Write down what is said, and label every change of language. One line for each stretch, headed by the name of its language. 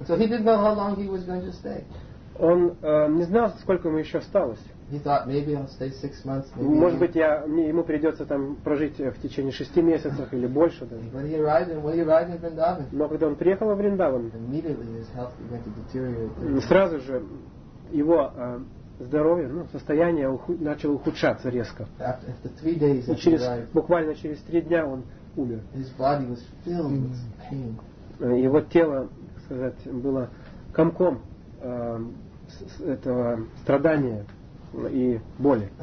English: So he didn't know how long he was going to stay.
Russian: Он не знал, сколько ему еще осталось.
English: He thought maybe I'll stay 6 months. Maybe.
Russian: Может быть, ему придется там прожить в течение 6 месяцев или больше. Даже.
English: When he arrived, in Vrindavan.
Russian: Но когда он приехал в Вриндаван,
English: immediately his health began to deteriorate.
Russian: Сразу же его здоровье, состояние начало ухудшаться резко.
English: After 3 days, after
Russian: через,
English: arrived,
Russian: буквально через 3 дня он умер.
English: His body was filled with pain.
Russian: Его тело, так сказать, было комком этого страдания и боли.